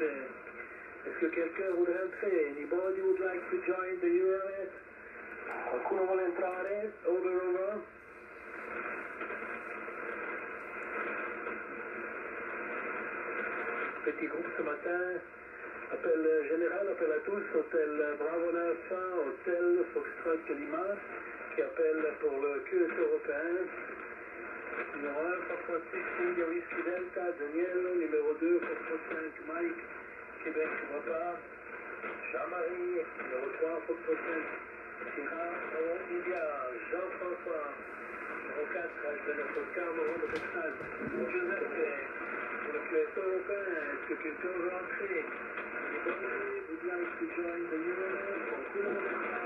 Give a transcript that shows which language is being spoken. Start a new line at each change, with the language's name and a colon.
French: Est-ce que quelqu'un voudrait entrer?
English: Anybody would like to join the URS?
Italian: Qualcuno vuole entrare?
English: Over, over.
French: Petit groupe ce matin. Appel général, appel à tous, hôtel Bravo Alpha, hôtel Foxtrot Lima, qui appelle pour le QS européen. Numéro 1, Foxtrot 6, India Whiskey Delta, Daniel. Numéro 2, Foxtrot 5, Mike, Québec, Papa, Jean-Marie. Numéro 3, Foxtrot 5, Sierra, Bravo India, Jean-François. Numéro 4, Alphonse Oscar, Moron de Texas, Joseph. Pour le QS européen, est-ce que quelqu'un veut entrer?
English: Would you like to join the Euronet?